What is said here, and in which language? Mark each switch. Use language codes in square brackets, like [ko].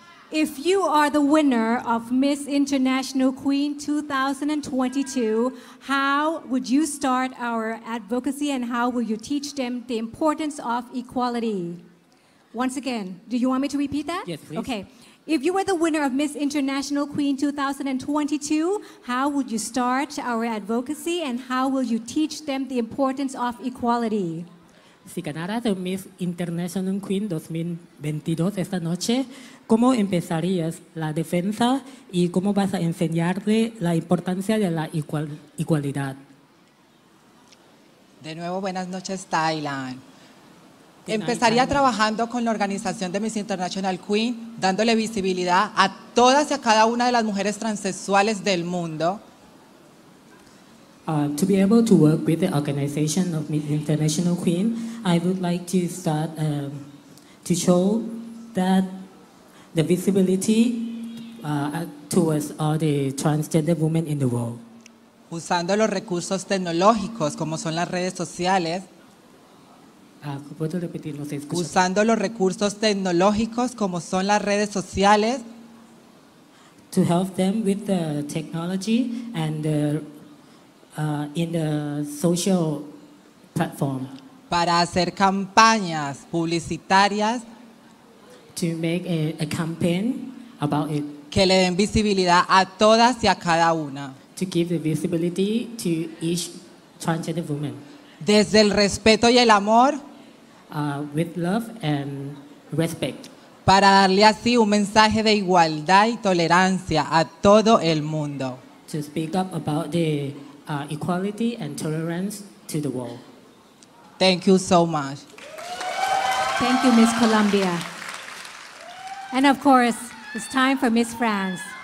[en] If you are the winner of Miss International Queen 2022, how would you start our advocacy and how will you teach them the importance of equality? Once again, do you want me to repeat that? Yes, please. Okay. If you were the winner of Miss International Queen 2022, how would you start our advocacy and how will you teach them the importance of equality? [es] Si ganaras el Miss International Queen 2022 esta noche, ¿cómo empezarías la defensa y cómo vas a enseñarle la importancia de la igualdad? De nuevo, buenas noches, Thailand. Empezaría trabajando con la organización de Miss International Queen, dándole visibilidad a todas y a cada una de las mujeres transexuales del mundo. [en] To be able to work with the organization of Miss International Queen, I would like to start to show that the visibility towards all the transgender women in the world. [es] Usando los recursos tecnológicos como son las redes sociales. ¿Puedo repetir? No sé, escucha. Usando los recursos tecnológicos como son las redes sociales. [en] To help them with the technology and the in the social platform. [es] Para hacer campañas publicitarias. [en] To make a campaign about it. [es] Que le den visibilidad a todas y a cada una. [en] To give the visibility to each transgender woman. [es] Desde el respeto y el amor. [en] With love and respect. [es] Para darle así un mensaje de igualdad y tolerancia a todo el mundo. [en] To speak up about the equality and tolerance to the world. Thank you so much. Thank you, Miss Colombia. And of course, it's time for Miss France.